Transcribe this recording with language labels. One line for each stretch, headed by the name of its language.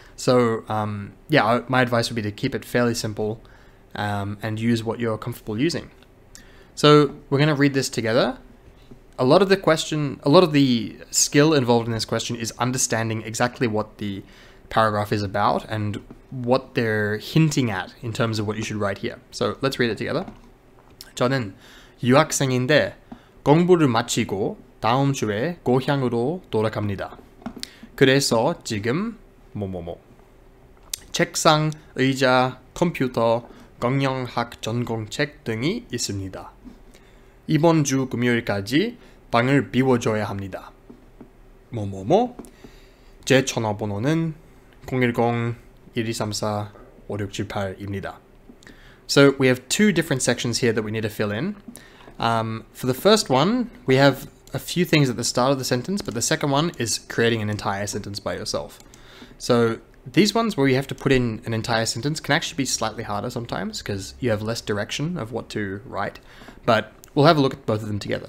English: So my advice would be to keep it fairly simple and use what you're comfortable using. So we're going to read this together. A lot of the skill involved in this question is understanding exactly what the paragraph is about and what they're hinting at in terms of what you should write here. So let's read it together.
Korean: 저는 유학생인데 공부를 마치고 다음 주에 고향으로 돌아갑니다. 그래서 지금 뭐뭐뭐 책상, 의자, 컴퓨터, 경영학 전공책 등이 있습니다. 이번 주 금요일까지 방을 비워줘야 합니다. 뭐뭐뭐 제 전화번호는 010-1234-5678입니다.
English: So we have two different sections here that we need to fill in. For the first one, we have a few things at the start of the sentence, but the second one is creating an entire sentence by yourself. So these ones where you have to put in an entire sentence can actually be slightly harder sometimes because you have less direction of what to write, but we'll have a look at both of them together.